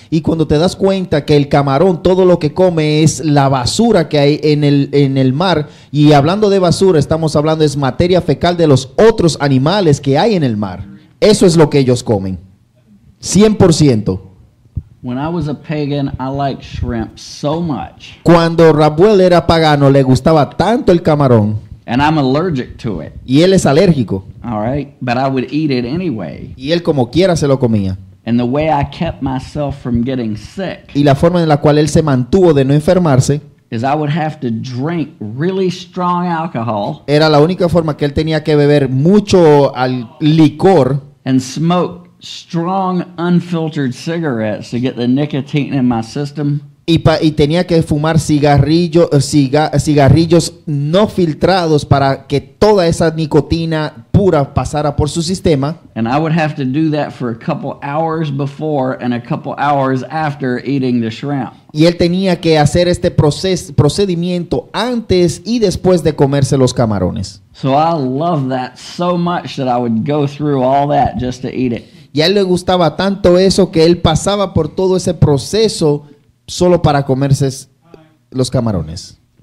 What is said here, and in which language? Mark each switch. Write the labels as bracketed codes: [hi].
[es] Y cuando te das cuenta que el camarón, todo lo que come es la basura que hay en el mar, y hablando de basura, estamos hablando es materia fecal de los otros animales que hay en el mar. Eso es lo que ellos comen. 100%. [en] When I was a pagan, I liked shrimp so much. [es] Cuando Rabuel era pagano, le gustaba tanto el camarón. [en] And I'm allergic to it. [es] Y él es alérgico. [en] All right, but I would eat it anyway. [es] Y él como quiera se lo comía. [en] And the way I kept myself from getting sick. [es] Y la forma en la cual él se mantuvo de no enfermarse. [en] Is I would have to drink really strong alcohol. [es] Era la única forma que él tenía que beber mucho licor. [en] And smoke strong unfiltered cigarettes to get the nicotine in my system. [es] Y tenía que fumar cigarrillos no filtrados para que toda esa nicotina pura pasara por su sistema. [en] And I would have to do that for a couple hours before and a couple hours after eating the shrimp. [es] Y él tenía que hacer este procedimiento antes y después de comerse los camarones. [en] So I love that so much that I would go through all that just to eat it. [es] Y a él le gustaba tanto eso que él pasaba por todo ese proceso solo para comerse los camarones.